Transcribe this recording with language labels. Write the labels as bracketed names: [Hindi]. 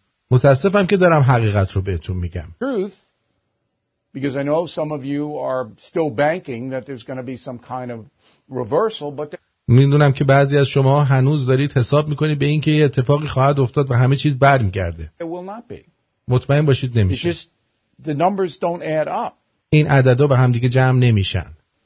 [Persian] متاسفم که دارم حقیقت رو بهتون میگم. [English] Truth, because I know some of you are still banking that there's going to be some kind of reversal, but [Persian] میدونم که بعضی از شما هنوز دارید حساب میکنید به اینکه یه اتفاقی خواهد افتاد و همه چیز برمیگرده. [English] It will not be. [Persian] مطمئن باشید نمیشه. [English] Just the numbers don't add up. [Persian] این عددا به هم دیگه جمع نمیشن.